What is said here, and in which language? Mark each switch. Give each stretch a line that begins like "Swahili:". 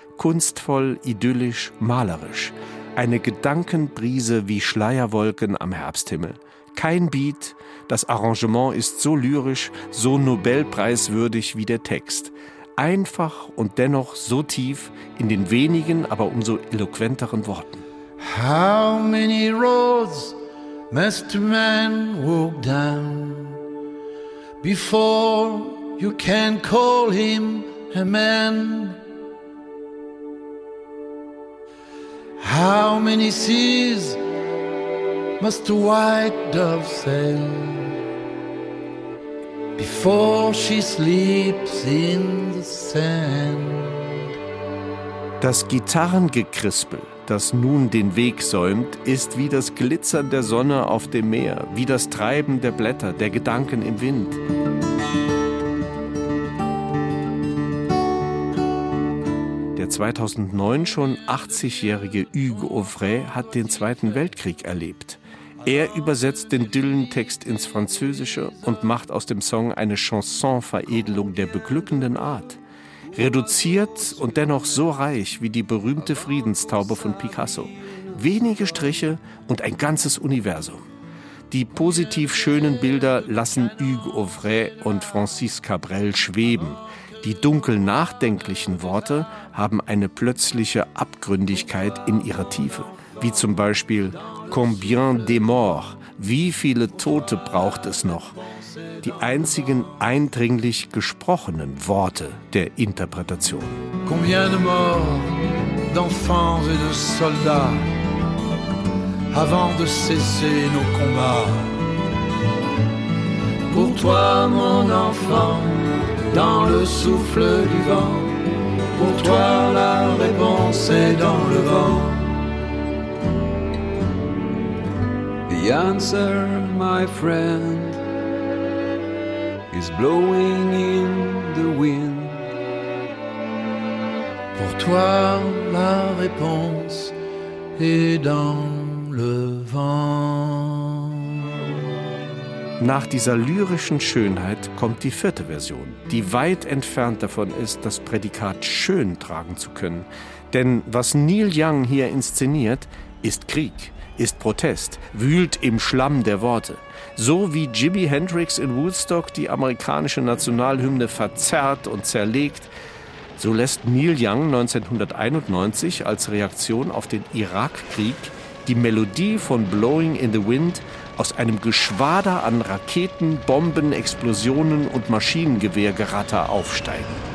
German: Kunstvoll, idyllisch, malerisch. Eine Gedankenbrise wie Schleierwolken am Herbsthimmel. Kein Beat, das Arrangement ist so lyrisch, so Nobelpreiswürdig wie der Text. Einfach und dennoch so tief in den wenigen, aber umso eloquenteren Worten.
English: How many roads must a man walk down before you can call him a man? How many seas must a white dove sail before she sleeps in the sand?
German: Das Gitarrengekrispel, das nun den Weg säumt, ist wie das Glitzern der Sonne auf dem Meer, wie das Treiben der Blätter, der Gedanken im Wind. Der 2009 schon 80-jährige Hugues Auvray hat den Zweiten Weltkrieg erlebt. Er übersetzt den Dylan-Text ins Französische und macht aus dem Song eine Chanson-Veredelung der beglückenden Art. Reduziert und dennoch so reich wie die berühmte Friedenstaube von Picasso. Wenige Striche und ein ganzes Universum. Die positiv schönen Bilder lassen Hugues Auvray und Francis Cabrel schweben. Die dunkel nachdenklichen Worte haben eine plötzliche Abgründigkeit in ihrer Tiefe. Wie zum Beispiel
French: Combien de morts?
German: Wie viele Tote braucht es noch? Die einzigen eindringlich gesprochenen Worte der Interpretation.
French: Combien de morts d'enfants et de soldats avant de cesser nos combats? Pour toi, mon enfant, dans le souffle du vent, pour toi, la réponse est dans le vent.
English: The answer, my friend, is blowing in the wind.
French: Pour toi, la réponse est dans le vent.
German: Nach dieser lyrischen Schönheit kommt die vierte Version, die weit entfernt davon ist, das Prädikat schön tragen zu können. Denn was Neil Young hier inszeniert, ist Krieg. Ist Protest, wühlt im Schlamm der Worte. So wie Jimi Hendrix in Woodstock die amerikanische Nationalhymne verzerrt und zerlegt, so lässt Neil Young 1991 als Reaktion auf den Irakkrieg die Melodie von Blowing in the Wind aus einem Geschwader an Raketen, Bomben, Explosionen und Maschinengewehrgeratter aufsteigen.